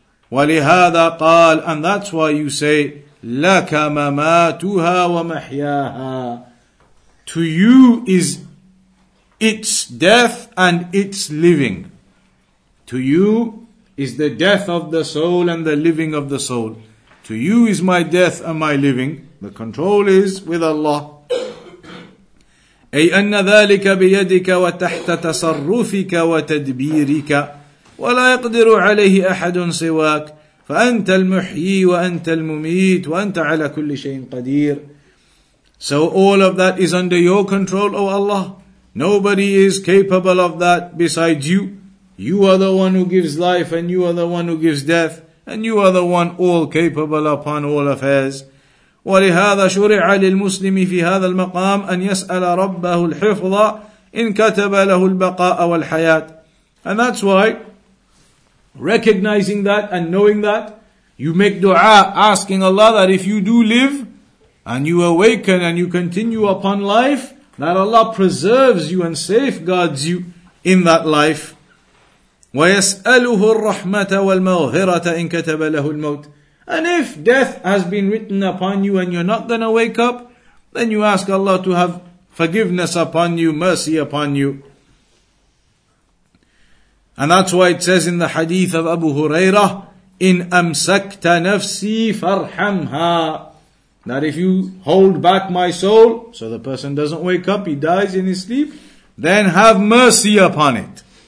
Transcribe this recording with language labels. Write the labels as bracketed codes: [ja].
[ar] وَلِهَذَا قَالَ [en] And that's why you say, [ar] لَكَ مَمَاتُهَا وَمَحْيَاهَا [en] To you is its death and its living. To you is the death of the soul and the living of the soul. To you is my death and my living. The control is with Allah. [ar] أي أن ذلك بيدك وتحت تصرفك وتدبيرك ولا يقدر عليه أحد سواك فأنت المحيي وأنت المميت وأنت على كل شيء قدير. [en] So all of that is under your control, O Allah. Nobody is capable of that besides you. You are the one who gives life and you are the one who gives death and you are the one all capable upon all affairs. [ar] ولهذا شرع للمسلم في هذا المقام أن يسأل ربه الحفظ إن كتب له البقاء والحياة. [en] And that's why, recognizing that and knowing that, you make dua asking Allah that if you do live and you awaken and you continue upon life, that Allah preserves you and safeguards you in that life. [ar] ويسأله الرحمة والمغفرة إن كتب له الموت. [en] And if death has been written upon you and you're not going to wake up, then you ask Allah to have forgiveness upon you, mercy upon you. And that's why it says in the hadith of Abu Hurairah, [ar] إِنْ أَمْسَكْتَ نَفْسِي فَرْحَمْهَا [en] That if you hold back my soul, so the person doesn't wake up, he dies in his sleep, then have mercy upon it.